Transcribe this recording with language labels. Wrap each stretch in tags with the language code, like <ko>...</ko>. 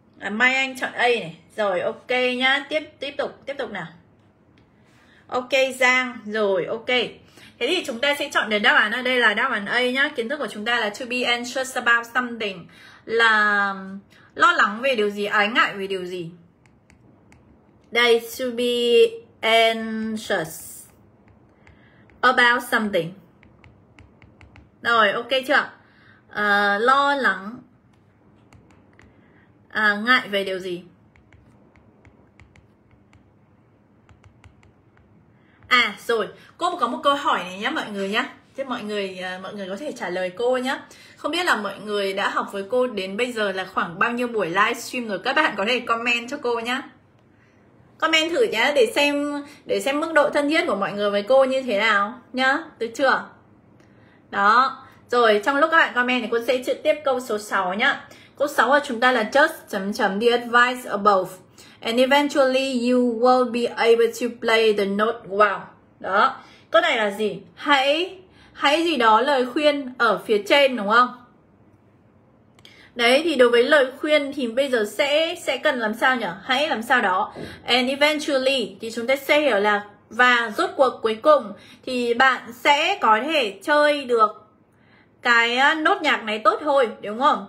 <vi>Mai Anh chọn A này. Rồi ok nhá, tiếp tục nào. Ok Giang, rồi ok. Thế thì chúng ta sẽ chọn được đáp án ở đây là đáp án A nhá. Kiến thức của chúng ta là to be anxious about something, là lo lắng về điều gì, ái ngại về điều gì. Đây, to be anxious about something. Rồi ok chưa? Lo lắng ngại về điều gì. À rồi, cô có một câu hỏi này nhé mọi người nhé. Thế mọi người có thể trả lời cô nhé. Không biết là mọi người đã học với cô đến bây giờ là khoảng bao nhiêu buổi livestream rồi. Các bạn có thể comment cho cô nhé. Comment thử nhé để xem mức độ thân thiết của mọi người với cô như thế nào nhá. Được chưa? Đó, rồi trong lúc các bạn comment thì cô sẽ trực tiếp câu số 6 nhá. Câu 6 của chúng ta là just chấm chấm the advice above.</vi> <en>And eventually you will be able to play the note well.</en> <vi>Đó, câu này là gì? Hãy gì đó lời khuyên ở phía trên đúng không? Đấy, thì đối với lời khuyên thì bây giờ sẽ cần làm sao nhỉ? Hãy làm sao đó. And eventually thì chúng ta sẽ hiểu là và rốt cuộc cuối cùng thì bạn sẽ có thể chơi được cái nốt nhạc này tốt thôi, đúng không?</vi>